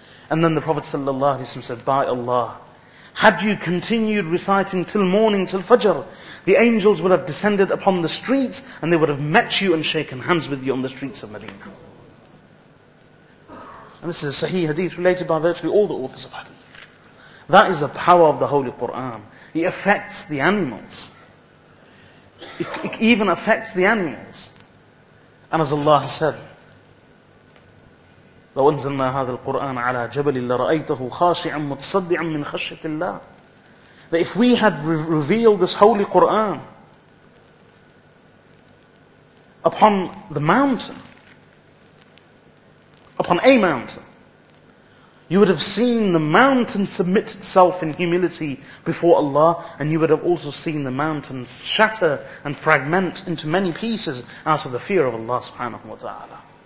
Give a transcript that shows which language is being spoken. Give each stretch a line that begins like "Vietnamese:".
English: And then the Prophet sallallahu alaihi wasallam said, by Allah, had you continued reciting till morning, till Fajr, the angels would have descended upon the streets and they would have met you and shaken hands with you on the streets of Medina. And this is a sahih hadith related by virtually all the authors of hadith. That is the power of the Holy Quran. He affects the animals. It even affects the animals. And as Allah said,
Arabic: لو أنزلنا هذا القرآن على جبل لرأيته خاشعا متصدعا من خشية الله.
English: That if we had revealed this holy Quran upon the mountain, upon a mountain, you would have seen the mountain submit itself in humility before Allah, and you would have also seen the mountain shatter and fragment into many pieces out of the fear of Allah subhanahu wa ta'ala.